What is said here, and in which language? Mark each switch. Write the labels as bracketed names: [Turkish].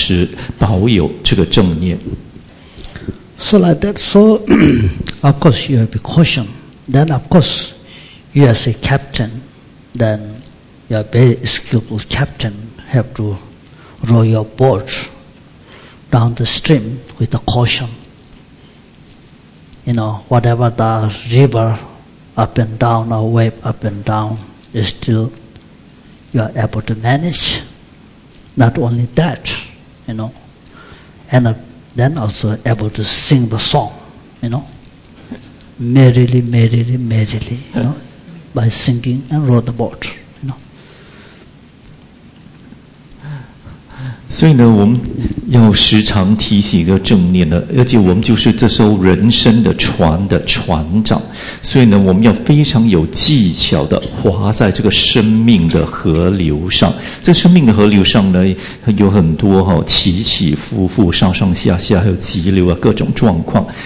[Chinese] 所以呢，这里应援儿歌里面就说，缓慢的、很柔和的去划着你的小船，慢慢的划着。这个很缓慢呢，告诉我们呢，其实呢，我们要非常小心啊，小心翼翼的划着我们这个人生的小船，因为呢，每个人都要经过这个过程呢，生下来这个人生的过程，所以呢，我们是没有法子的，没得选择的。所以呢，我们就要非常缓慢的提起我们的正念。所以呢，我们可以这样去理解啊，提起我们的正念，在我们这个人生的过程中呢，要时刻保持保有这个正念。 [English] So like that, so of course you have to caution. Then of course, you as a captain, then you are a very skillful captain, have to row your boat down the stream with the caution. You know, whatever the river up and down or wave up and down, is still you are able to manage. Not only that, you know, and then also able to sing the song, you know. Merrily, you know, by singing and row the boat, you know. [Chinese] 所以呢，我们要时常提起一个正念呢，而且我们就是这艘人生的船的船长，所以呢，我们要非常有技巧的划在这个生命的河流上。这生命的河流上呢，有很多哈、哦、起起伏伏、上上下下，还有急流啊，各种状况。